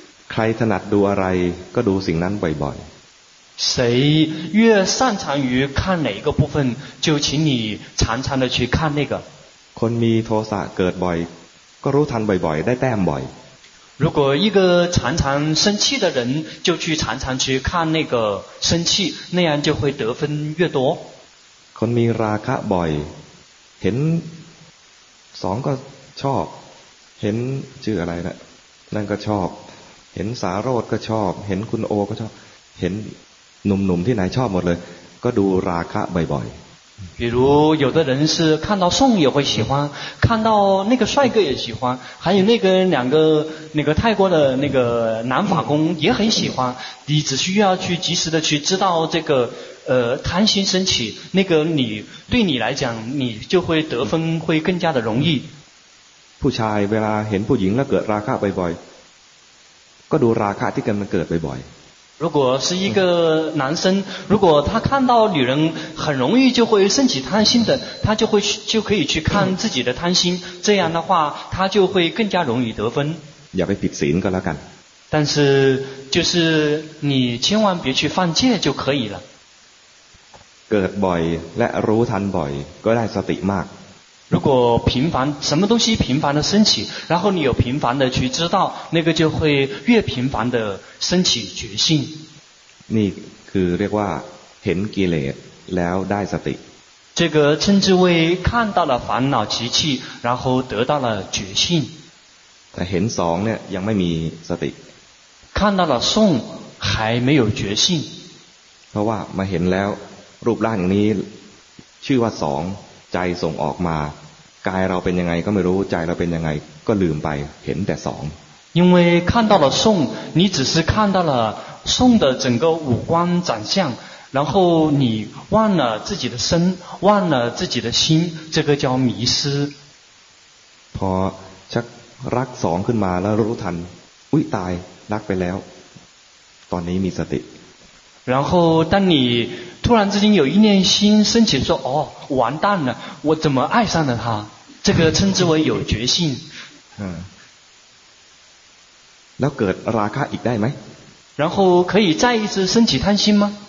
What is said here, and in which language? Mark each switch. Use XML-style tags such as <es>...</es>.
<th>ใครถนัดดูอะไรก็ดูสิ่งนั้นบ่อย</th> <zh>ๆ谁越擅长于看哪一个部分就请你常常的去看那个</zh> <th>คนมีโทสะเกิดบ่อยก็รู้ทันบ่อยๆได้แต้มบ่อย</th> <zh>如果一个常常生气的人就去常常去看那个生气那样就会得分越多</zh> <th>คนมีราคะบ่อยเห็นสองก็ชอบเห็นชื่ออะไรนั่นก็ชอบเห็นสาโรจน์ก็ชอบเห็นคุณโอก็ชอบเห็นหนุ่มๆที่ไหนชอบหมดเลยก็ดูราคะบ่อยๆ</th> <zh>比如有的人是看到宋也会喜欢，看到那个帅哥也喜欢，还有那个两个那个泰国的那个男法工也很喜欢。你只需要去及时的去知道这个贪心升起，那个你对你来讲，你就会得分会更加的容易。</zh> <th>ผู้ชายเวลาเห็นผู้หญิงแล้วเกิดราคะบ่อยๆก็ดูราคะที่กำลังเกิดบ่อย</th> <zh>如果是一个男生，如果他看到女人很容易就会升起贪心的，他就会就可以去看自己的贪心，这样的话他就会更加容易得分。要被别人给他干。但是就是你千万别去犯戒就可以了。</zh> <th>เกิดบ่อยและรู้ทันบ่อยก็ได้สติมาก。</th> <zh>如果频繁什么东西频繁的升起，然后你有频繁的去知道，那个就会越频繁的升起觉性。你</zh> <th>คือเรียกว่าเห็นกิเลสแล้วได้สติ。</th> <zh>这个称之为看到了烦恼习气，然后得到了觉性。</zh> <th>แต่เห็นสองเนี่ยยังไม่มีสติ。</th> <zh>看到了送还没有觉性。</zh> <th>เพราะว่ามาเห็นแล้วรูปร่างอย่างนี้ชื่อว่าสองใจส่งออกมากายเราเป็นยังไงก็ไม่รู้ใจเราเป็นยังไงก็ลืมไปเห็นแต่สอง</th> <zh>因为看到了送你只是看到了送的整个五官长相然后你忘了自己的身忘了自己的心这个叫迷失</zh> <th>พอชักรักสองขึ้นมาแล้วรู้ทันอุ๊ยตายรักไปแล้วตอนนี้มีสติ</th> <zh>然后当你突然之间有一念心升起说哦完蛋了我怎么爱上了他这个称之为有觉性</zh> <th>嗯แล้วเกิดราคะอีกได้ไหม</th> <zh>然后可以再一次升起贪心吗</zh>